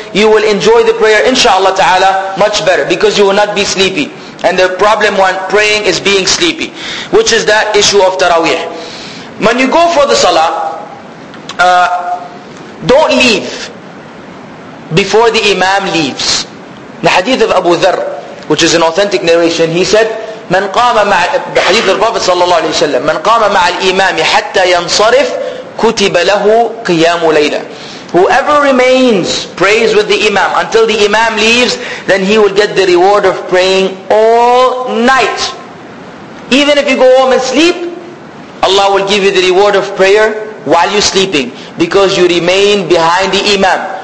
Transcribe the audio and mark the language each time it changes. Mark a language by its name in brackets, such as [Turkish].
[English] You will enjoy the prayer inshallah ta'ala much better, because you will not be sleepy. And the problem when praying is being sleepy, which is that issue of taraweeh. When you go for the salah, don't leave before the imam leaves. The hadith of Abu Dharr, which is an authentic narration, he said, [Arabic] من قام مع حديث الرسول صلى الله عليه وسلم من قام مع الإمام حتى ينصرف كتب له قيام ليلة. [English] Whoever remains prays with the Imam until the Imam leaves, then he will get the reward of praying all night. Even if you go home and sleep, Allah will give you the reward of prayer while you're sleeping, because you remain behind the Imam.